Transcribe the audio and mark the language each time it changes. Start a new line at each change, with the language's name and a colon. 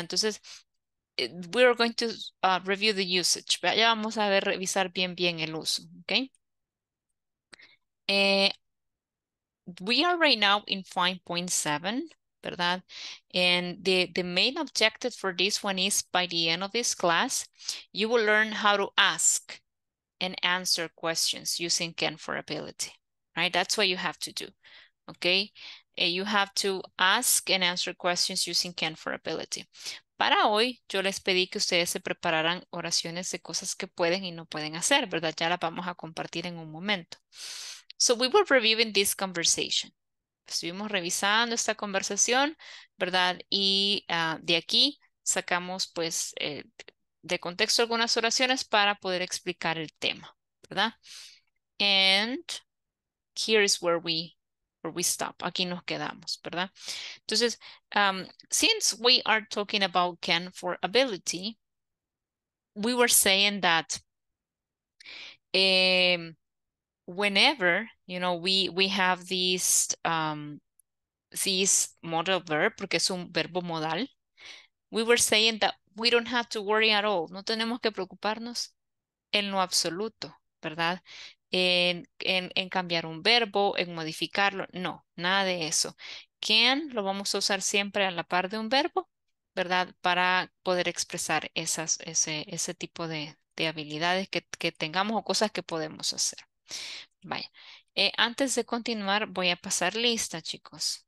English: Entonces, we are going to review the usage.
Spanish: ¿Verdad? Ya vamos a ver, revisar bien, bien el uso.
English: ¿Okay? We are right now in 5.7, ¿verdad? And the main objective for this one is by the end of this class, you will learn how to ask and answer questions using can for ability, right? That's what you have to do, okay? You have to ask and answer questions using can for ability.
Spanish: Para hoy, yo les pedí que ustedes se prepararan oraciones de cosas que pueden y no pueden hacer, ¿verdad? Ya las vamos a compartir en un momento.
English: So we were reviewing this conversation.
Spanish: Estuvimos revisando esta conversación, ¿verdad? Y de aquí sacamos, pues, de contexto algunas oraciones para poder explicar el tema, ¿verdad?
English: And here is where we stop.
Spanish: Aquí nos quedamos, ¿verdad?
English: Entonces, since we are talking about can for ability, we were saying that whenever, you know, we have this modal verb,
Spanish: porque es un verbo modal,
English: we were saying that we don't have to worry at all.
Spanish: No tenemos que preocuparnos en lo absoluto, ¿verdad? en cambiar un verbo, en modificarlo. No, nada de eso. Can lo vamos a usar siempre a la par de un verbo, ¿verdad? Para poder expresar esas, ese tipo de habilidades que tengamos o cosas que podemos hacer. Vaya. Antes de continuar, voy a pasar lista, chicos.